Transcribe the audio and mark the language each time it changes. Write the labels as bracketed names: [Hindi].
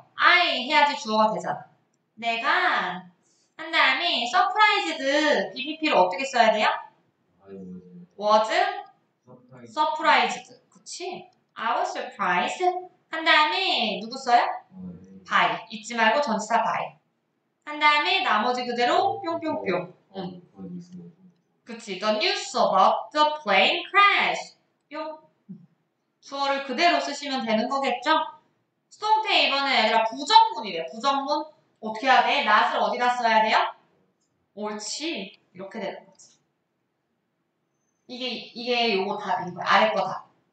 [Korean] 아이 해야지 주어가 되잖아. 내가 한 다음에 서프라이즈드 BPP를 어떻게 써야 돼요? [English] Was surprised. 그치? I was surprised. [Korean] 한 다음에 누구 써요? By. 잊지 말고 전치사 by. 한 다음에 나머지 그대로 뿅뿅뿅. 응. 그치. [English] The news about the plane crash. [Korean] 뿅. 주어를 그대로 쓰시면 되는 거겠죠? 수동태 이번엔 얘들아 부정문이래. 부정문. 어떻게 해야 돼? 낫을 어디다 써야 돼요? 옳지. 이렇게 되는 거지. 이게 요거 답인 거야. 아래 거다.